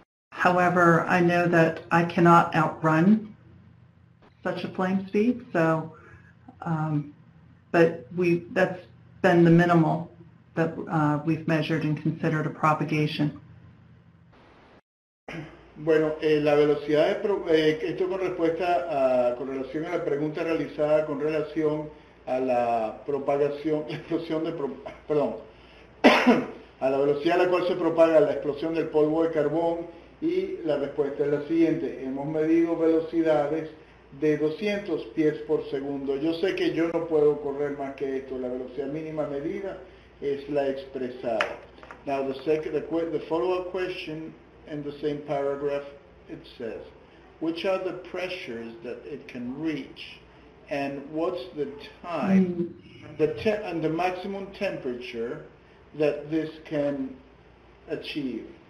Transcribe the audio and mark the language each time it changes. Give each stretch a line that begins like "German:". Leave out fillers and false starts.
English: However, I know that I cannot outrun such a flame speed, so. But that's been the minimal that we've measured and considered a propagation.
Spanish: Bueno, la velocidad de esto con respuesta a, con relación a la pregunta realizada con relación a la propagación, la explosión de, perdón, a la velocidad a la cual se propaga la explosión del polvo de carbón, y la respuesta es la siguiente: hemos medido velocidades de 200 pies por segundo. Yo sé que yo no puedo correr más que esto. La velocidad mínima medida es la expresada.
English: Now the follow-up question in the same paragraph, it says, which are the pressures that it can reach and what's the time, and the maximum temperature that this can achieve?